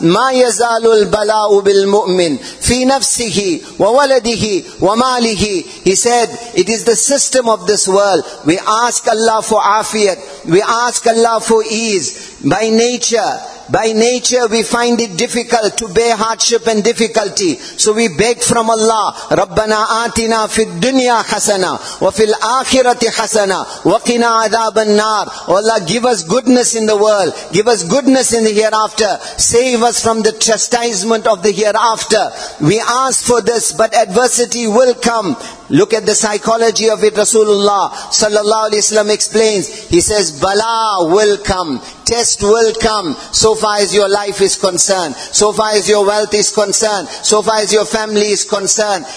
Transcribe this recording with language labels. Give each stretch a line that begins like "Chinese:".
Arabic: مَا يَزَالُ الْبَلَاءُ بِالْمُؤْمِنِ فِي نَفْسِهِ وَوَلَدِهِ وَمَالِهِ.
English: He said, it is the system of this world. We ask Allah for afiyat. We ask Allah for ease. By nature, we find it difficult to bear hardship and difficulty. So we beg from Allah,
Arabic: رَبَّنَا آتِنَا فِي الدُّنْيَا حَسَنَا وَفِي الْآخِرَةِ حَسَنَا وَقِنَا عَذَابَ النَّارِ.
English: Oh Allah, give us goodness in the world. Give us goodness in the hereafter. Save us from the chastisement of the hereafter. We ask for this, but adversity will come. Look at the psychology of it. Rasulullah sallallahu alaihi wasallam explains. He says, bala will come, test will come, so far as your life is concerned, so far as your wealth is concerned, so far as your family is concerned.